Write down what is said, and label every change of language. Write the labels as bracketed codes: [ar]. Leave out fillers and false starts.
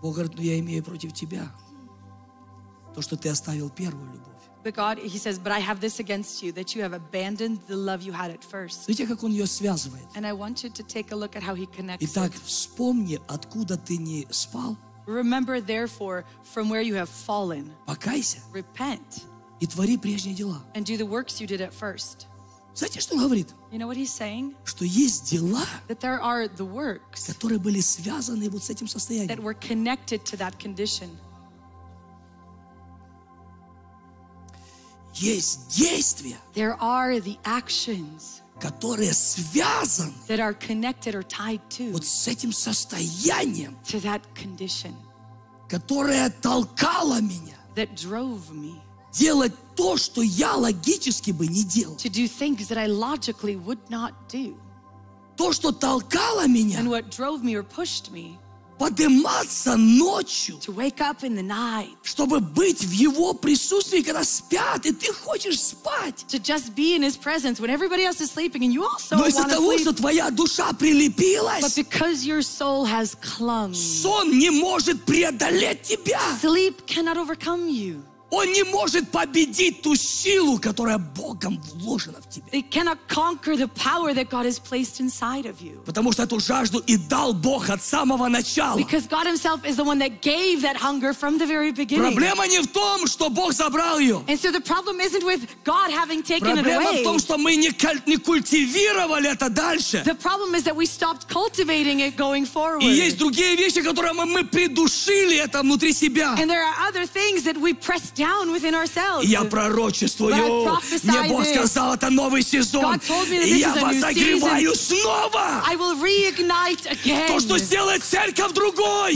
[ru] Бог говорит, но я имею против тебя то, что ты оставил первую любовь. [en] But God, he says, but I have this against you, that you have abandoned the love you had at first. [ru] Смотрите, как он ее связывает. [en] And I want you to take a look at how he connects. [ru] Итак, вспомни, откуда ты не спал. [en] Remember, therefore, from where you have fallen. [ru] Покайся. [en] Repent. [ru] И твори прежние дела. [en] And do the works you did at first. [ru] Знаете, что он говорит? [en] You know what he's saying? [ru] Что есть дела, [en] that there are the works, [ru] которые были связаны вот с этим состоянием. [en] That were connected to that condition. [ru] Есть действия, [en] there are the actions, [ru] которые связаны, [en] that are connected or tied to, [ru] вот с этим состоянием, [en] to that condition, [ru] которое толкало меня, [en] that drove me, [ru] делать то, что я логически бы не делал. [en] To do things that I logically would not do. [ru] То, что толкало меня. [en] And what drove me or pushed me. [ru] Подниматься ночью. [en] To wake up in the night. [ru] Чтобы быть в его присутствии, когда спят, и ты хочешь спать. [en] To just be in his presence when everybody else is sleeping and you also want to sleep. [ru] Но из-за того, что твоя душа прилепилась. [en] But because your soul has clung. [ru] Сон не может преодолеть тебя. [en] Sleep cannot overcome you. [ru] Он не может победить ту силу, которая Богом вложена в тебя. [en] They cannot conquer the power that God has placed inside of you. [ru] Потому что эту жажду и дал Бог от самого начала. [en] Because God himself is the one that gave that hunger from the very beginning. [ru] Проблема не в том, что Бог забрал ее. [en] And so the problem isn't with God having taken [ru] проблема [en] it away. [ru] Проблема в том, что мы не культивировали это дальше. [en] The problem is that we stopped cultivating it going forward. [ru] И есть другие вещи, которые мы придушили это внутри себя. [en] And there are other things that we pressed down within ourselves. [ru] Я пророчествую. Мне Бог сказал, это новый сезон. Я возогреваю снова. [en] I will reignite again. [ru] То, что сделает церковь другой.